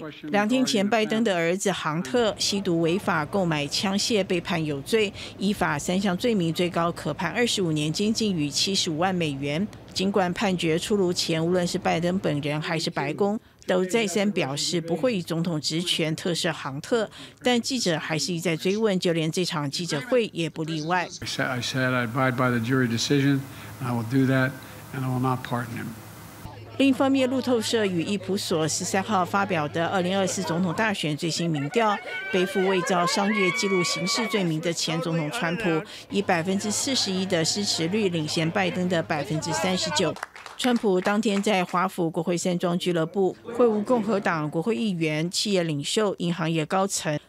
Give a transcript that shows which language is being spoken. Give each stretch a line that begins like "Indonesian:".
Chinese: 2天前，拜登的儿子杭特吸毒违法购买枪械被判有罪，依法3项罪名，最高可判25年监禁与75万美元。尽管判决出炉前，无论是拜登本人还是白宫，都再三表示不会以总统职权特赦杭特，但记者还是一再追问，就连这场记者会也不例外。
English: I said I abide by the jury decision, and I will do that, and I will not pardon him.
Chinese: 另一方面，路透社与伊普索13号发表的2024总统大选最新民调，背负伪造商业记录刑事罪名的前总统川普，以41%的支持率领先拜登的39%。川普当天在华府国会山庄俱乐部会晤共和党国会议员、企业领袖、银行业高层。